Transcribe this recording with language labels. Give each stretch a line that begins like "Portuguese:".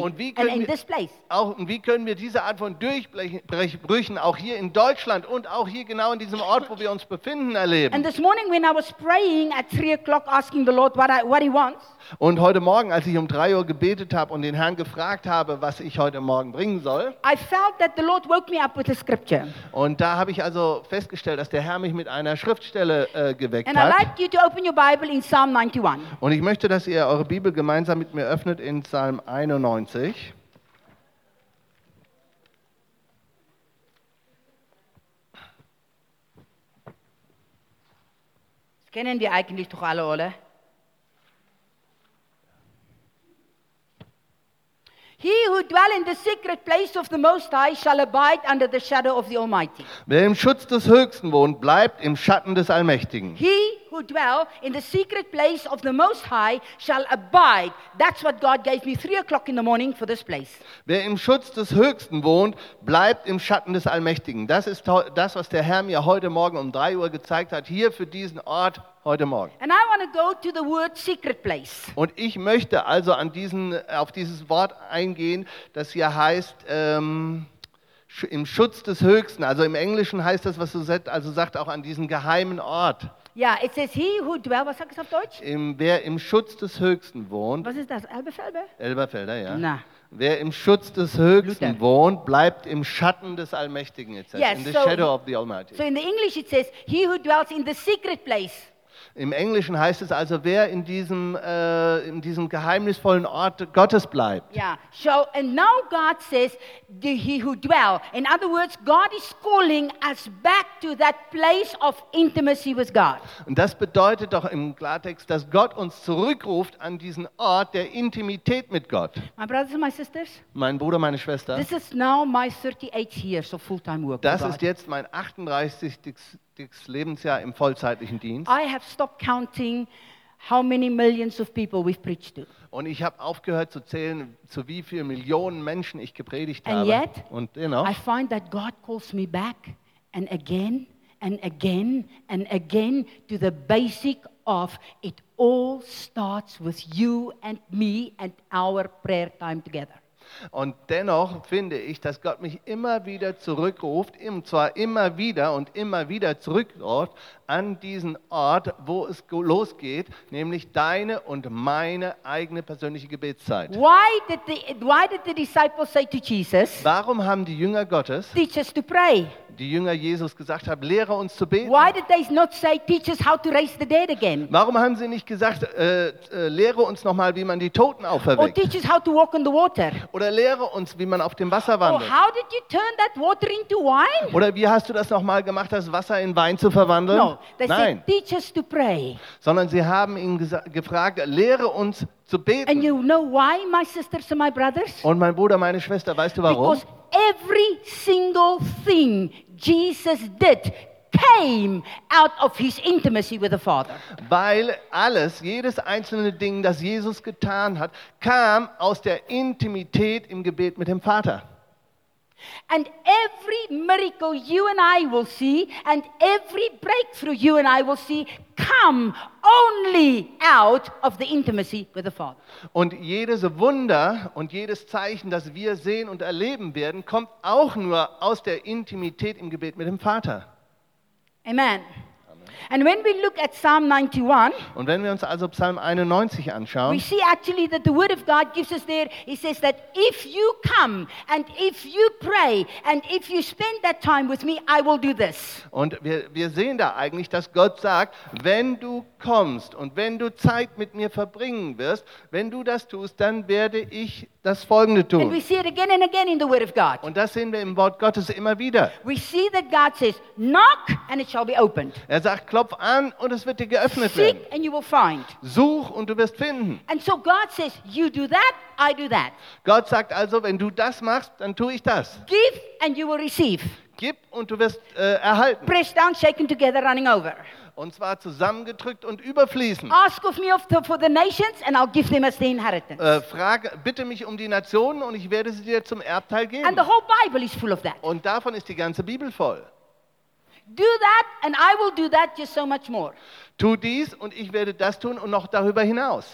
German: Und wie können
English: and in this place?
German: Auch und wie können wir diese Art von Durchbrüchen auch hier in Deutschland und auch hier genau in diesem Ort, wo wir uns befinden, erleben?
English: And this morning when I was praying at 3 o'clock asking the Lord what he wants.
German: Und heute Morgen, als ich 3 Uhr gebetet habe und den Herrn gefragt habe, was ich heute Morgen bringen soll,
English: I felt that the Lord woke me up with a scripture.
German: Und da habe ich also festgestellt, dass der Herr mich mit einer Schriftstelle geweckt
English: and
German: hat.
English: I'd like you to open your Bible in Psalm 91.
German: Und ich möchte, dass ihr eure Bibel gemeinsam mit mir öffnet in Psalm 91. Das kennen wir eigentlich doch alle, oder?
English: He who dwell in the secret place of the Most High shall abide under the shadow of the Almighty.
German: Wer im Schutz des Höchsten wohnt, bleibt im Schatten des Allmächtigen.
English: He who dwell in the secret place of the Most High shall abide. That's what God gave me 3 o'clock in the morning for this place.
German: Wer im Schutz des Höchsten wohnt, bleibt im Schatten des Allmächtigen. Das ist das, was der Herr mir heute Morgen 3 Uhr gezeigt hat, hier für diesen Ort. Heute Morgen.
English: And I want to go to the word secret place.
German: Und ich möchte also an diesen, auf dieses Wort eingehen, das hier heißt im Schutz des Höchsten. Also im Englischen heißt das, was du sagst, also sagt auch an diesen geheimen Ort.
English: Ja, yeah, it says he who dwells,
German: was sagt es auf Deutsch? Wer im Schutz des Höchsten wohnt. Was ist das? Elberfelder? Elberfelder, ja. Na. Wer im Schutz des Höchsten wohnt, bleibt im Schatten des Allmächtigen.
English: Yes, in the shadow of the Almighty. So in the English it says he who dwells in the secret place.
German: Im Englischen heißt es also, wer in diesem geheimnisvollen Ort Gottes bleibt. Ja, yeah.
English: So, and now God says, the he who dwell. In other words, God is calling us back to that place of intimacy with God.
German: Und das bedeutet doch im Klartext, dass Gott uns zurückruft an diesen Ort der Intimität mit Gott.
English: My brothers and my sisters.
German: Mein Bruder, meine Schwester.
English: This is now my 38th year, so full-time work.
German: Das ist jetzt mein 38. Lebensjahr im vollzeitlichen Dienst.
English: I have stopped counting how many millions of people we've preached to.
German: Und ich habe aufgehört zu zählen, zu wie vielen Millionen Menschen ich gepredigt
English: and Yet,
German: und dennoch,
English: I find that God calls me back and again and again and again to the basic of it all starts with you and me and our prayer time together.
German: Und dennoch finde ich, dass Gott mich immer wieder zurückruft, und zwar immer wieder und immer wieder zurückruft an diesen Ort, wo es losgeht, nämlich deine und meine eigene persönliche Gebetszeit.
English: Why did the disciples say to Jesus,
German: warum haben die Jünger Gottes
English: teach us to pray?
German: die Jünger Jesus gesagt haben, lehre uns zu beten.
English: Why did they not say, teach us how to raise the dead again?
German: Warum haben sie nicht gesagt, lehre uns nochmal, wie man die Toten auferweckt?
English: Or teach us how to walk on the water?
German: Oder lehre uns, wie man auf dem Wasser wandelt?
English: Or how did you turn that water into wine?
German: Oder wie hast du das nochmal gemacht, das Wasser in Wein zu verwandeln?
English: Nein. Said, teach us to pray.
German: Sondern sie haben ihn gefragt, lehre uns zu beten.
English: And you know why, my sisters and my brothers?
German: Und mein Bruder, meine Schwester, weißt du warum?
English: Because every single thing Jesus did came out of his intimacy with the Father.
German: Weil alles, jedes einzelne Ding, das Jesus getan hat, kam aus der Intimität im Gebet mit dem Vater.
English: And every miracle you and I will see and every breakthrough you and I will see come only out of the intimacy with the Father.
German: Und jedes Wunder und jedes Zeichen, das wir sehen und erleben werden, kommt auch nur aus der Intimität im Gebet mit dem Vater.
English: Amen. And when we look at Psalm 91,
German: und wenn wir uns also Psalm 91 anschauen,
English: we see actually that the word of God gives us there, he says that if you come and if you pray and if you spend that time with me, I will do this.
German: Und wir sehen da eigentlich, dass Gott sagt, wenn du kommst und wenn du Zeit mit mir verbringen wirst, wenn du das tust, dann werde ich das Folgende tun.
English: And we see it again and again in the word of God.
German: Und das sehen wir im Wort Gottes immer wieder.
English: We see that God says, knock and it shall be opened.
German: Er sagt, klopf an und es wird dir geöffnet
English: Seek
German: werden.
English: And you will find.
German: Such und du wirst finden.
English: And so God says, you do that, I do that.
German: Gott sagt also, wenn du das machst, dann tue ich das.
English: Give and you will receive.
German: Gib und du wirst erhalten.
English: Press down, shaken together, running over.
German: Und zwar zusammengedrückt und überfließen.
English: Ask of me for the nations and I'll give them as the inheritance.
German: Bitte mich um die Nationen und ich werde sie dir zum Erbteil geben.
English: And the whole Bible is full of that.
German: Und davon ist die ganze Bibel voll.
English: Do that and I will do that just so much more. Tu dies und ich werde das tun und noch darüber hinaus.